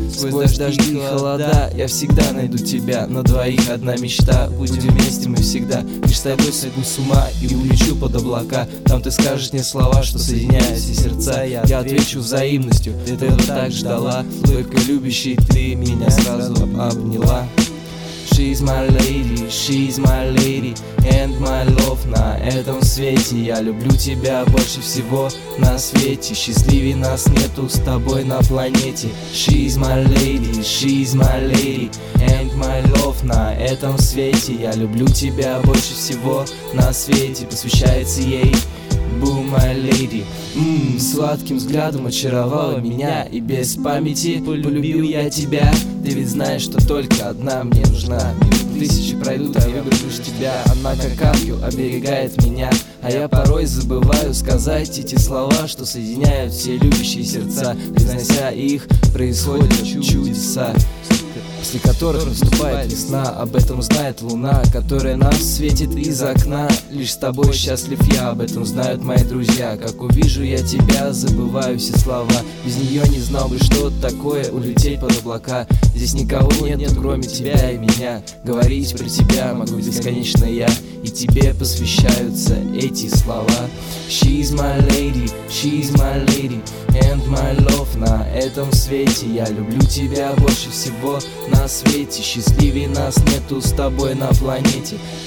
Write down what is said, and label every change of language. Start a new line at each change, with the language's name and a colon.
Russian: Сквозь дожди и холода я всегда найду тебя. На двоих одна мечта, будем вместе мы всегда. Лишь с тобой сойду с ума и улечу под облака. Там ты скажешь мне слова, что соединяют все сердца. Я отвечу взаимностью, ты этого так ждала. Только любящий ты меня сразу обнял.
English: She's my lady, she's my lady, and my love.
Russian: На этом свете я люблю тебя больше всего на свете. Счастливей нас нету с тобой на планете.
English: She's my lady, she's my lady, and my love.
Russian: На этом свете я люблю тебя больше всего на свете. Посвящается ей.
English: Boom, my lady.
Russian: Сладким взглядом очаровала меня. И без памяти полюбил я тебя. Ты ведь знаешь, что только одна мне нужна. Минут тысячи пройдут, а выберу лишь тебя. Она как ангел оберегает меня. А я порой забываю сказать эти слова, что соединяют все любящие сердца. Принося их, происходят чудеса, после которых наступает весна. Об этом знает луна, которая нас светит из окна. Лишь с тобой счастлив я, об этом знают мои друзья. Как увижу я тебя, забываю все слова. Без нее не знал бы, что такое улететь под облака. Здесь никого нет, кроме тебя и меня. Говорить про тебя могу бесконечно я. И тебе посвящаются эти слова.
English: She's my lady, she's my lady, and my love.
Russian: На этом свете я люблю тебя больше всего на свете. Счастливей нас нету с тобой на планете.